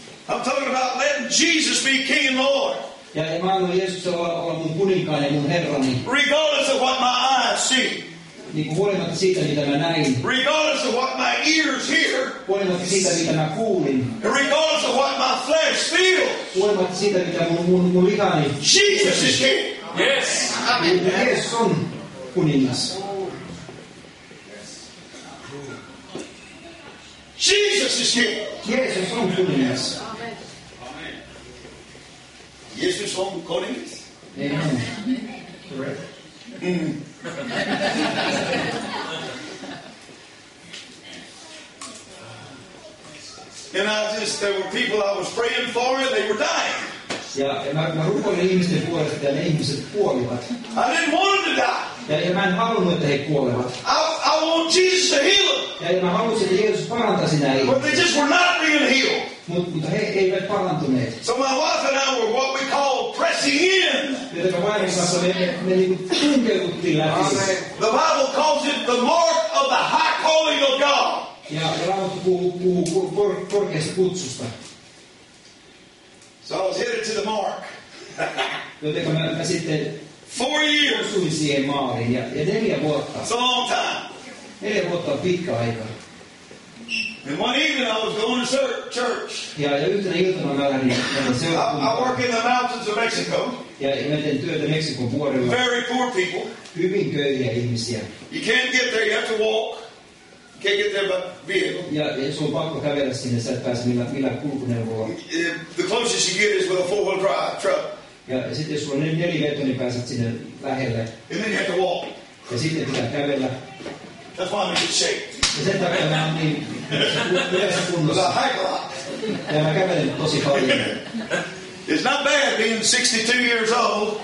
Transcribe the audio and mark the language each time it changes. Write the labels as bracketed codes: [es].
[en] I'm talking about letting Jesus be King and Lord. [fi] Ja mä annoin Jeesus olla mun kuninkaan ja mun herrani. [en] Regardless of what my eyes see. [fi] Niin huolimatta siitä, mitä mä näin. [en] Regardless of what my ears hear. [fi] Huolimatta siitä, mitä mä kuulin. [en] Regardless of what my flesh feels. [fi] Huolimatta siitä, mitä mun lihani. [en] Jesus is King. Yes. [fi] Jeesus on kuningas. [en] Jesus is King. [fi] Jeesus on kuningas. [en] Amen. [fi] Jeesus on kuningas. [en] Amen. Amen. And I just, there were people I was praying for and they were dying. [fi] Mä rukoilin ihmisten puolesta ja ne ihmiset kuolivat. [en] I didn't want them to die. [fi] Ja mä en halunnut, että he kuolevat. [en] I want Jesus to heal them. [fi] Ja mä halusin, että Jeesus parantaisi nää ihmiset. [en] But they just were not being healed. [fi] Mutta he eivät parantuneet. [en] So my wife and I were what we call pressing in. [fi] Joten mä vaihdin kanssa me niinku tunkeuduttiin läpi. [en] The Bible calls it the mark of the high calling of God. [fi] Ja Raamattu puhuu korkeasta kutsusta. [en] So I was headed to the mark. [fi] Joten mä sitten [en] 4 years. It's a long time. And one evening I was going to church. I work in the mountains of Mexico. Very poor people. [fi] Hyvin köyhiä ihmisiä. [en] You can't get there, you have to walk. You can't get there by vehicle. [fi] Sun pakko kävellä sinne, sä et pääse millään kulkuneuvolla. [en] The closest you get is with a four-wheel drive truck. [fi] Ja sitten jos sulla on nelivetoinen, niin pääset sinne lähelle. [en] And then you have to walk. [fi] Ja sitten pitää kävellä. [en] That's why I'm in good shape. [fi] Ja sen takia mä oon niin yhdessä kunnossa. [en] But I hike a lot. [fi] Ja mä kävelen tosi paljon. [en] It's not bad being 62 years old.